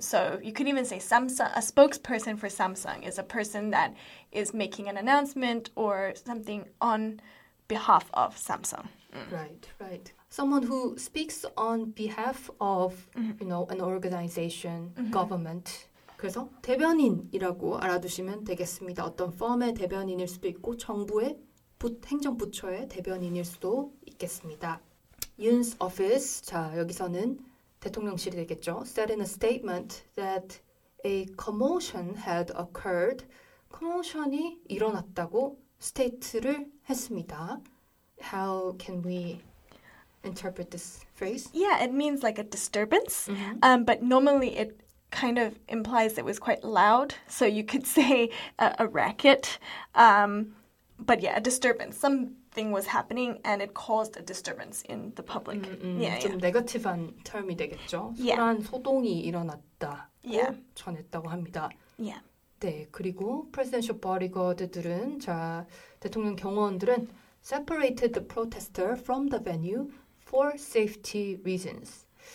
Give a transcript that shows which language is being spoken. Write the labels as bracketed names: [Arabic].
[English] So you could even say Samsung, a spokesperson for Samsung is a person that is making an announcement or something on behalf of Samsung. Right. Someone who speaks on behalf of, you know, an organization, government. [Korean] 그래서 대변인이라고 알아두시면 되겠습니다. 어떤 펌의 대변인일 수도 있고 정부의 행정부처의 대변인일 수도 있겠습니다. [English] Yoon's office, [Korean] 자 여기서는 대통령실이 되겠죠. [English] Said in a statement that a commotion had occurred. [Korean] Commotion이 일어났다고 state를 했습니다. [English] How can we interpret this phrase? Yeah, it means like a disturbance. But normally it kind of implies it was quite loud. So you could say a racket. But yeah, a disturbance. Something was happening and it caused a disturbance in the public. Yeah. [Korean] 좀 네거티브한 term이 되겠죠. [English] Yeah. [Korean] 소란, 소동이 일어났다고 전했다고 합니다. [English] Yeah. [Korean] 네, 그리고 presidential bodyguard들은, 자, 대통령 경호원들은 [English] separated the protester from the venue for safety reasons.